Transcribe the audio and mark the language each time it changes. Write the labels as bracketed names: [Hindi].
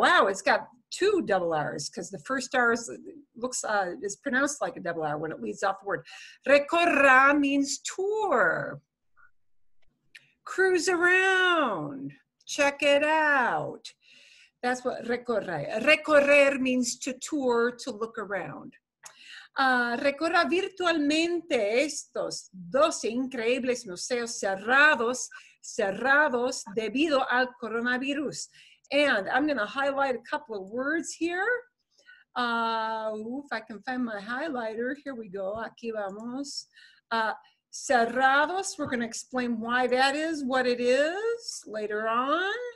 [English] Wow, it's got two double R's because the first R is pronounced like a double R when it leads off the word. Recorra means tour. Cruise around. Check it out. That's what recorrer means, to tour, to look around. [Spanish] Recorra virtualmente estos dos increíbles museos cerrados debido al coronavirus. [English] And I'm going to highlight a couple of words here. If I can find my highlighter, here we go. [Spanish] Aquí vamos. [English] Cerrados, we're going to explain why that is, what it is later on.